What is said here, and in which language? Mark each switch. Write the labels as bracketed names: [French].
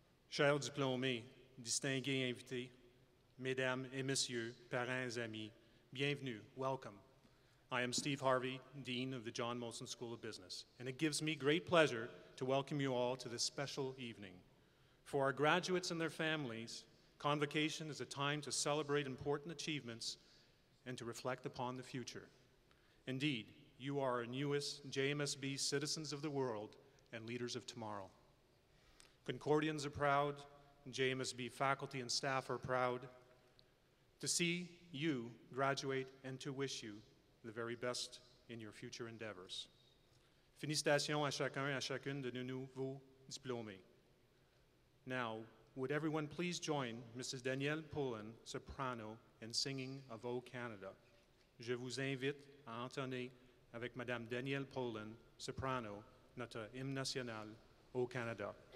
[French] Chers diplômés, distingués invités, mesdames et messieurs, parents et amis, bienvenue, [English] welcome. I am Steve Harvey, Dean of the John Molson School of Business, and it gives me great pleasure to welcome you all to this special evening. For our graduates and their families, Convocation is a time to celebrate important achievements and to reflect upon the future. Indeed, you are our newest JMSB citizens of the world and leaders of tomorrow. Concordians are proud, JMSB faculty and staff are proud to see you graduate and to wish you the very best in your future endeavors. [French] Félicitations à chacun et à chacune de nos nouveaux diplômés. [English] Now, would everyone please join Mrs. Danielle Pullen, soprano, in singing of O Canada. [French] Je vous invite à entonner avec Madame Danielle Pullen, soprano, notre hymne national, O Canada.